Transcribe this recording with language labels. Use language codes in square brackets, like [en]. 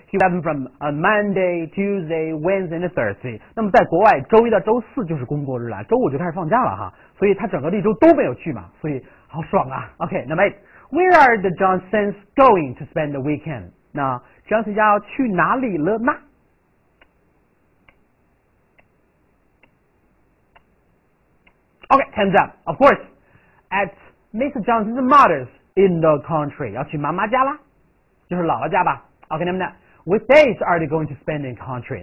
[en] He was absent from Monday, Tuesday, Wednesday, and Thursday. [zh] 那么在国外，周一到周四就是工作日了，周五就开始放假了哈。所以他整个一周都没有去嘛，所以好爽啊。 [en] OK, number eight. Where are the Johnsons going to spend the weekend? [zh] 那 Johnson 家要去哪里了呢？ [en] OK, time's up. Of course, at Mrs. Johnson's mother's in the country. [zh] 要去妈妈家啦，就是姥姥家吧。 [en] OK, number nine. Which days are they going to spend in country?